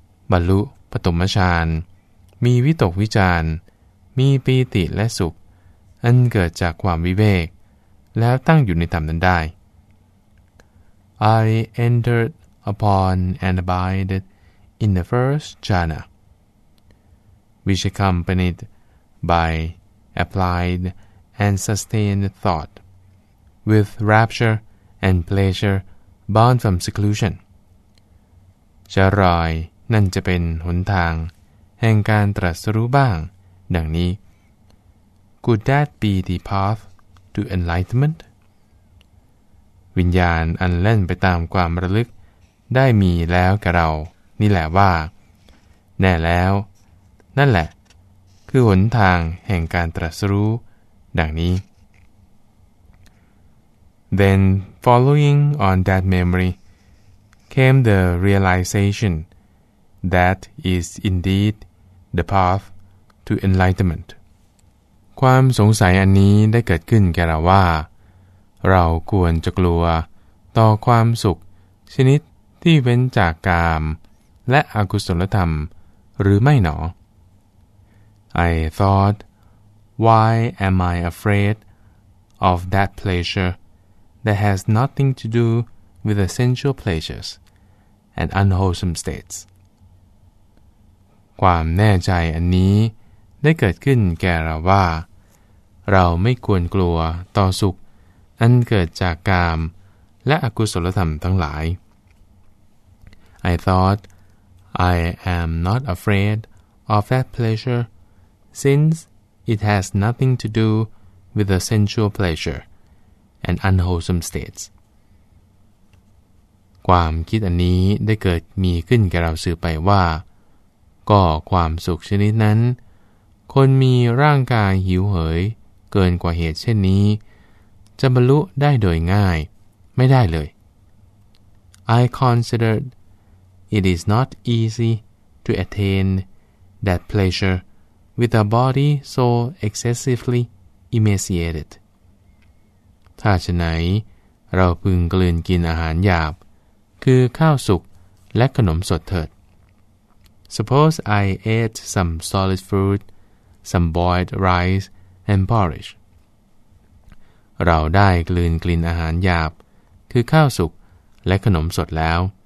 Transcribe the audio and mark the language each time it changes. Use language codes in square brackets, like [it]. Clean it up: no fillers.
[th] บรรลุปฐมฌานมีวิตกวิจารมีปีติและสุขอันเกิดจากความวิเวกแล้วตั้งอยู่ในธรรมนั้นได้ [en] I entered upon and abided in the first jhana, which accompanied by applied and sustained thought, with rapture and pleasure born from seclusion. [th] จะรอยนั่นจะเป็นหนทางแห่งการตรัสรู้บ้างดังนี้ [en] Could that be the path to enlightenment? [th] วิญญาณอันเล่นไปตามความระลึกได้มีแล้วกับเรานี่แหละว่าแน่แล้วนั่นแหละคือหนทางแห่งการตรัสรู้ดังนี้ [en] Then following on that memory came the realization that is indeed the path to enlightenment. [th] ความสงสัยอันนี้ได้เกิดขึ้นแก่เราว่าเราควรจะกลัวต่อความสุขชนิดที่เว้นจากกามและอกุศลธรรมหรือไม่หน [en] อ I thought, why am I afraid of that pleasure that has nothing to do with the sensual pleasures and unwholesome states? [th] ความแน่ใจอันนี้ได้เกิดขึ้นแก่เราว่าเราไม่ควรกลัวต่อสุขอันเกิดจากกามและอกุศลธรรมทั้งหลาย [en] I thought I am not afraid of that pleasure since it has nothing to do with the sensual pleasure and unwholesome states [th] ความคิดอันนี้ได้เกิดมีขึ้นแก่เราสืบไปว่าก็ความสุขชนิดนั้นคนมีร่างกายหิวเหยเกินกว่าเหตุเช่นนี้จะบรรลุได้โดยง่ายไม่ได้เลย [en] I considered it is not easy to attain that pleasure with a body so excessively emaciated [th] ถ้าฉะนั้นเราพึงกลืนกินอาหารหยาบคือข้าวสุกและขนมสดเถิด [en] Suppose I ate some solid foodsome boiled rice and porridge. [th] เราได้กลืนกลิ่นอาหารหยาบคือข้าวสุกและขนมสดแล้ว